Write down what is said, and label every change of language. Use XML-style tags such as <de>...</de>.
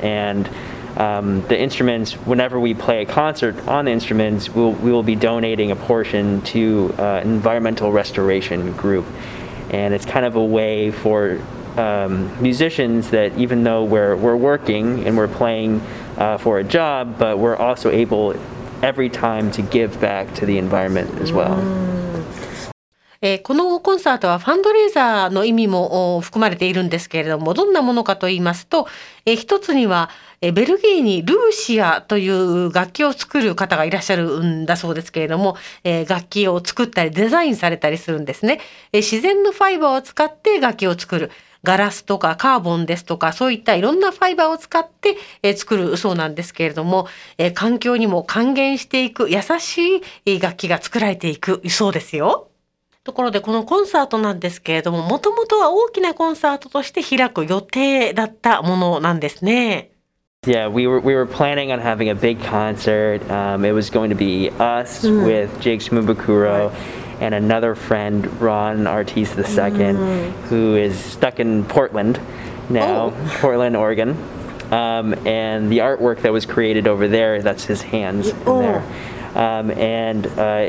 <en>And the instruments, whenever we play a concert on the instruments, we will be donating a portion to an environmental restoration group. And it's kind of a way for musicians that even though we're working and we're playing for a job, but we're also able every time to give back to the environment as well.</en> <ja>このコンサートはファンドレーザーの意味も含まれているんですけれども、どんなものかと言いますと、一つにはベルギーにルーシアという楽器を作る方がいらっしゃるんだそうですけれども、楽器を作ったりデザインされたりするんですね。自然のファイバーを使って楽器を作る、ガラスとかカーボンですとかそういったいろんなファイバーを使って作るそうなんですけれども、環境にも還元していく優しい楽器が作られていくそうですよ。ところでこのコンサートなんですけれども、もともとは大きなコンサートとして開く予定だったものなんですね。</ja> <en>Yeah, we were planning on having a big concert. It was going to be us with Jake Smubukuro and another friend, Ron Ortiz II, who is stuck in Portland now, Portland, Oregon. And the artwork that was created over there, that's his hands in there.</en>